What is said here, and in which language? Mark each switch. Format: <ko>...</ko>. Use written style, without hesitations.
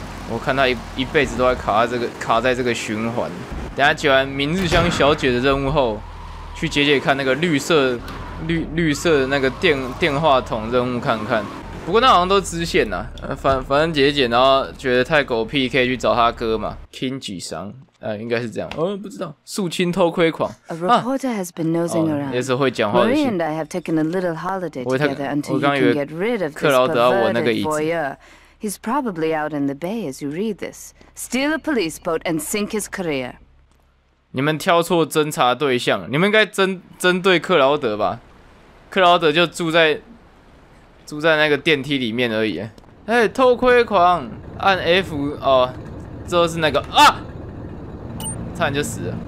<zh>我看他一辈子都在卡在这个循环。等下解完明日香小姐的任务后，去解解看那个绿色的那个电话筒任务看看，不过那好像都是支线啊，反正姐姐然后觉得太狗屁，可以去找他哥嘛 ，King 沮丧，应该是这样，不知道，肃清偷窥狂。</zh> <en>A reporter has been nosing around.</en> <zh>也是会讲话的。</zh> <en>Marie and I have taken a little holiday together until you can get rid of this perverted voyeur. He's probably out in the bay as you read this. Steal a police boat and sink his career.</en> <zh>你们挑错侦查对象，你们应该针对克劳德吧？克劳德就住在那个电梯里面而已。哎，偷窥狂，按 F 哦，之后是那个啊，差点就死了。</zh>